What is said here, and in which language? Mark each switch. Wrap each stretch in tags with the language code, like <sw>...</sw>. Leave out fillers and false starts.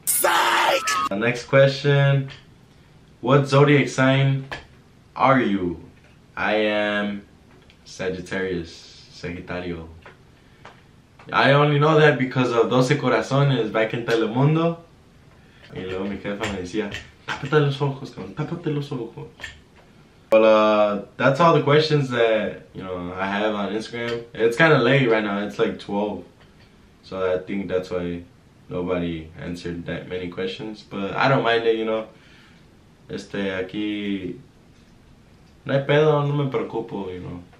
<en>Psych! The next question. What zodiac sign are you? I am Sagittarius. Sagittario. I only know that because of 12 Corazones back in Telemundo.</en> <es>Y luego mi jefa me decía, tápate los ojos, cabrón, tápate los ojos.</es> <en>But that's all the questions that, you know, I have on Instagram. It's kind of late right now. It's like 12. So I think that's why nobody answered that many questions. But I don't mind it, you know.</en> <es>Aquí no hay pedo, no me preocupo,</es> <en>you know.</en>